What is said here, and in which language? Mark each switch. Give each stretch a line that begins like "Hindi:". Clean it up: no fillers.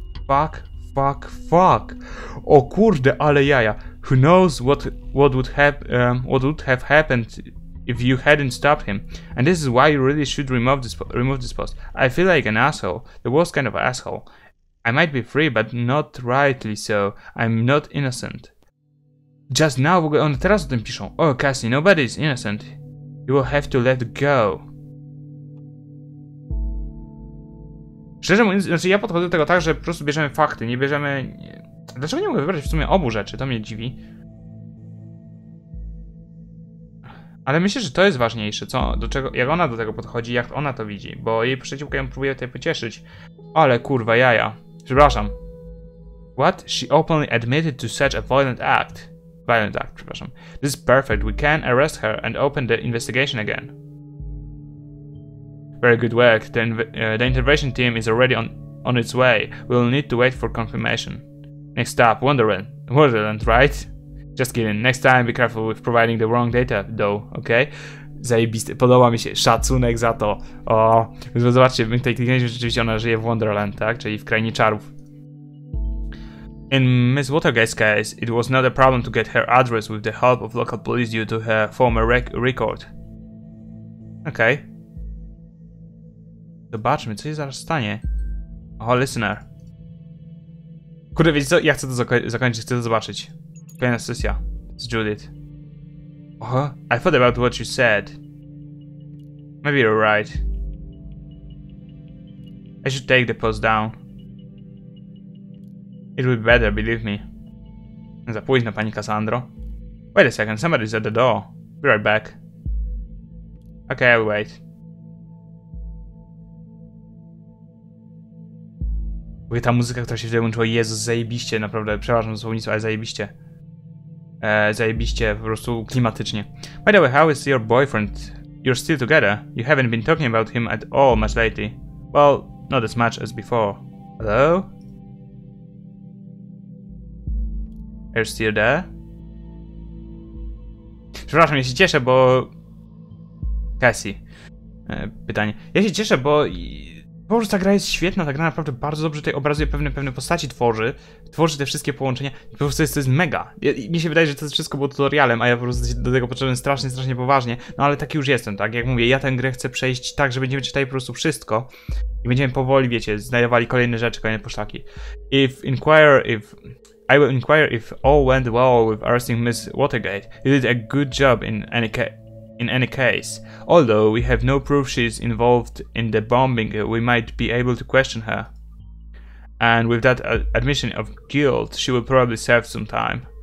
English: Fuck, fuck, fuck.
Polish: O kurde, ale jaja.
English: Who knows what would have happened if you hadn't stopped him. And this is why you really should remove this post. I feel like an asshole. The worst kind of asshole. I might be free, but not rightly so. I'm not innocent. Just now,
Polish: w ogóle one teraz o tym piszą.
English: Oh, Cassie, nobody is innocent. You will have to let go.
Polish: Szczerze mówiąc, znaczy ja podchodzę do tego tak, że po prostu bierzemy fakty, nie bierzemy... Dlaczego nie mogę wybrać w sumie obu rzeczy? To mnie dziwi. Ale myślę, że to jest ważniejsze, co, do czego, jak ona do tego podchodzi, jak ona to widzi. Bo jej przyjaciółka ją próbuje tutaj pocieszyć. Ale kurwa jaja. Przepraszam. What?
English: She openly admitted to such a violent act. Violent act,
Polish: przepraszam.
English: This is perfect. We can arrest her and open the investigation again. Very good work. The intervention team is already on its way. We'll need to wait for confirmation. Next stop, Wonderland. Wonderland, right? Just kidding. Next time, be careful with providing the wrong data, though, okay?
Polish: Zajebiste. Podoba mi się. Szacunek za to. O, zobaczcie, my tutaj kliknęliśmy, rzeczywiście ona żyje w Wonderland, tak? Czyli w krainie czarów.
English: In Ms. Watergate's case, it was not a problem to get her address with the help of local police due to her former record. Okay.
Polish: Zobaczmy, co się zaraz stanie.
English: Oh, listener.
Polish: Kurde, wiecie co? Ja chcę to zakończyć, chcę to zobaczyć. Kolejna sesja z Judith.
English: Oh, I thought about what you said. Maybe you're right. I should take the post down. It would be better, believe me.
Polish: Za późno, pani Cassandro.
English: Wait a second, somebody's at the door. Be right back. Okay, I'll wait.
Polish: Mówię, ta muzyka, która się wtedy łączyła, Jezus, zajebiście, naprawdę, przepraszam za słownictwo, ale zajebiście. Zajebiście, po prostu klimatycznie.
English: By the way, how is your boyfriend? You're still together? You haven't been talking about him at all much lately. Well, not as much as before. Hello? Are you still there?
Polish: Przepraszam, ja się cieszę, bo... Cassie. Pytanie. Ja się cieszę, bo... Po prostu ta gra jest świetna, ta gra naprawdę bardzo dobrze tutaj obrazuje pewne postaci, tworzy te wszystkie połączenia. Po prostu to jest mega. Mi się wydaje, że to wszystko było tutorialem, a ja po prostu do tego potrzebuję strasznie, strasznie poważnie. No ale taki już jestem, tak? Jak mówię, ja tę grę chcę przejść tak, że będziemy czytali po prostu wszystko. I będziemy powoli, wiecie, znajdowali kolejne rzeczy, kolejne poszlaki.
English: I will inquire if all went well with arresting Miss Watergate. You did a good job in any case. Although we have no proof she's involved in the bombing, we might be able to question her. And with that admission of guilt, she will probably serve some time.